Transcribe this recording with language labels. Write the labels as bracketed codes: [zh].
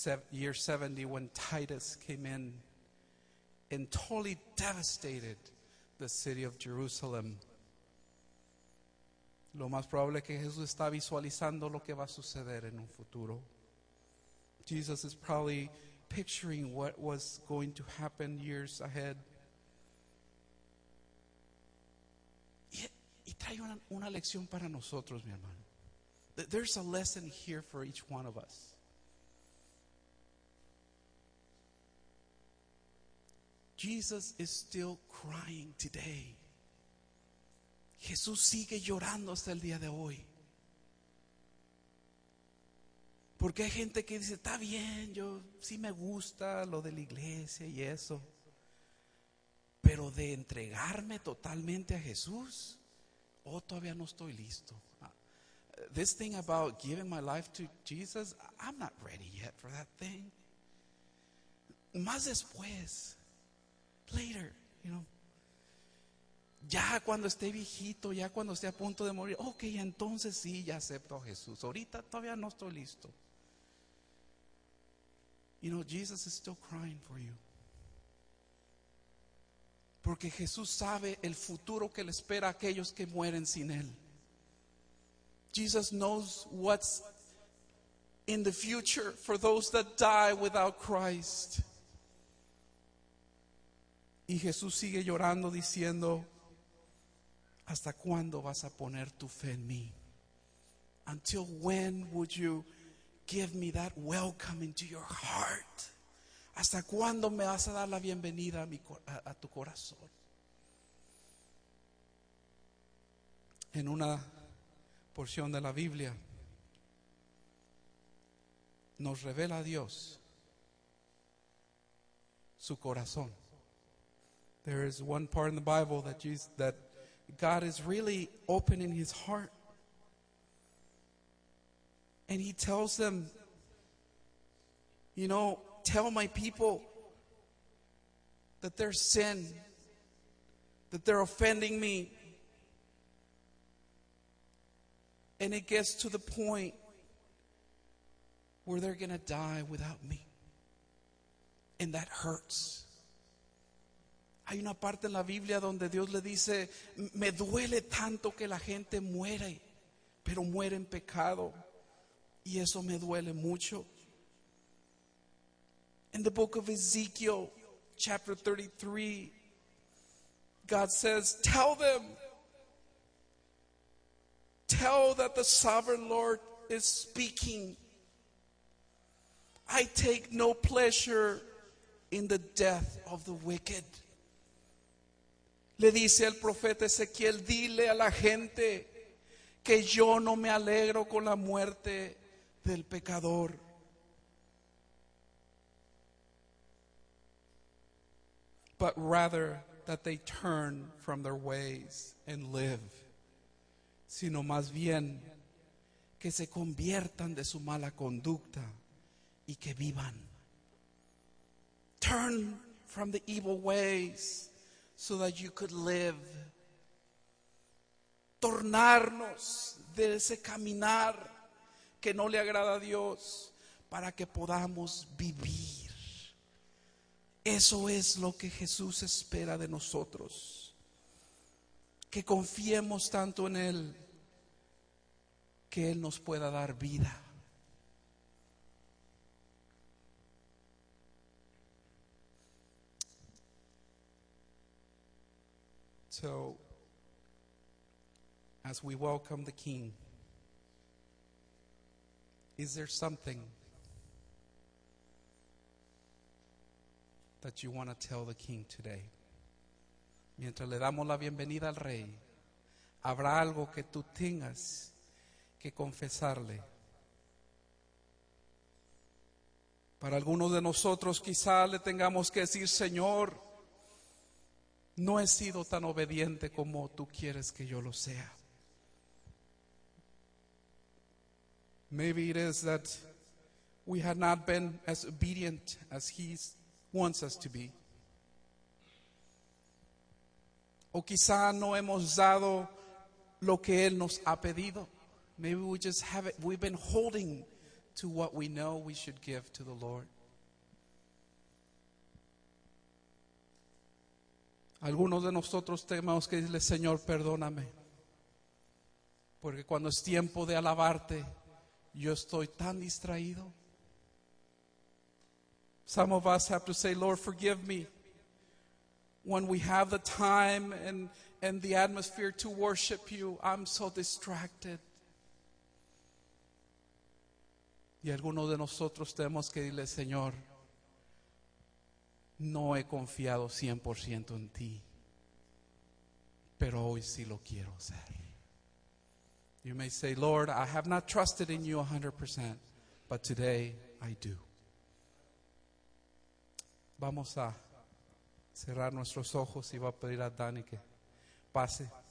[en] Year 70, when Titus came in and totally devastated the city of Jerusalem. [es] Lo más probable es que Jesús está visualizando lo que va a suceder en un futuro. [en] Jesus is probably picturing what was going to happen years ahead. [es] Y trae una lección para nosotros, mi hermano. [en] There's a lesson here for each one of us. Jesus is still crying today. [es] Jesús sigue llorando hasta el día de hoy. Porque hay gente que dice, está bien, yo sí me gusta lo de la iglesia y eso. Pero de entregarme totalmente a Jesús, oh, todavía no estoy listo. [en] This thing about giving my life to Jesus, I'm not ready yet for that thing. [es] Más después, [en] later, you know. [es] Ya cuando esté viejito, ya cuando esté a punto de morir, ok, entonces sí, ya acepto a Jesús. Ahorita todavía no estoy listo. [en] You know, Jesus is still crying for you. [es] Porque Jesús sabe el futuro que le espera a aquellos que mueren sin Él. [en] Jesus knows what's in the future for those that die without Christ. [es] Y Jesús sigue llorando diciendo, ¿hasta cuándo vas a poner tu fe en mí? [en] Until when would you give me that welcome into your heart? [es] ¿Hasta cuándo me vas a dar la bienvenida a tu corazón? En una porción de la Biblia nos revela a Dios su corazón. [en] There is one part in the Bible that God is really opening his heart. And he tells them, you know, tell my people that they're sin, that they're offending me. And it gets to the point where they're going to die without me. And that hurts. [es] Hay una parte en la Biblia donde Dios le dice, me duele tanto que la gente muere, pero muere en pecado. Y eso me duele mucho. [en] In the book of Ezekiel, chapter 33, God says, tell them, tell that the sovereign Lord is speaking. I take no pleasure in the death of the wicked. [es] Le dice el profeta Ezequiel, dile a la gente que yo no me alegro con la muerte del pecador. [en] But rather that they turn from their ways and live. [es] Sino más bien que se conviertan de su mala conducta y que vivan. [en] Turn from the evil ways so that you could live. [es] Tornarnos de ese caminar que no le agrada a Dios para que podamos vivir. Eso es lo que Jesús espera de nosotros. Que confiemos tanto en Él que Él nos pueda dar vida. [en] So, as we welcome the King, is there something that you want to tell the King today? [es] Mientras le damos la bienvenida al Rey, ¿habrá algo que tú tengas que confesarle? Para algunos de nosotros quizá le tengamos que decir, Señor, no he sido tan obediente como tú quieres que yo lo sea. [en] Maybe it is that we have not been as obedient as he wants us to be. [es] O quizá no hemos dado lo que él nos ha pedido. [en] Maybe we just have it. We've been holding to what we know we should give to the Lord. [es] Algunos de nosotros tenemos que decirle, Señor, perdóname. Porque cuando es tiempo de alabarte, yo estoy tan distraído. [en] Some of us have to say, Lord, forgive me. When we have the time and the atmosphere to worship you, I'm so distracted. [es] Y algunos de nosotros tenemos que decirle, Señor, no he confiado 100% en ti, pero hoy sí lo quiero hacer. [en] You may say, Lord, I have not trusted in you 100%, but today I do. [es] Vamos a cerrar nuestros ojos y va a pedir a Dani que pase.